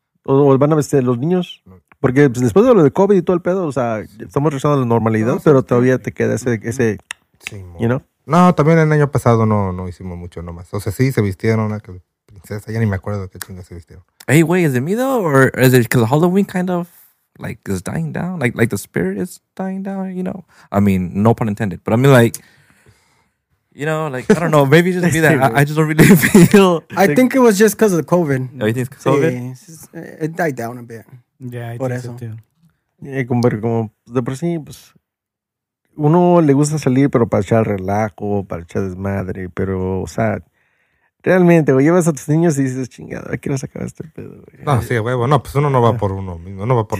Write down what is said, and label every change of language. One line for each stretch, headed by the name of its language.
Spanish: ¿O van a vestir los niños? Porque pues, después de lo de COVID y todo el pedo, o sea, estamos regresando a la normalidad, no, pero sí, todavía sí, te queda ese sí,
English: you know?
Spanish: No, también el año pasado no hicimos mucho nomás. O sea, sí, se vistieron una princesa, ya ni me acuerdo qué chingas se vistieron. Hey, güey, ¿es de miedo o es
English: because Halloween kind of like is dying down? Like the spirit is dying down, you know? I mean, no pun intended, but I mean like... You know, like, I don't know, maybe just be that. I just don't really feel... I think it was just because of the COVID. No, you think it's COVID? Sí, it died down a bit. Yeah, I por think
Spanish: eso.
English: So too.
Spanish: Y como de por sí, pues, uno le gusta salir, pero para echar relajo, para echar desmadre, pero, o sea, realmente, güey, llevas a tus niños y dices, chingado, ¿a qué nos acaba este pedo, güey? No, sí, güey, bueno, pues uno no va por uno mismo, no va por...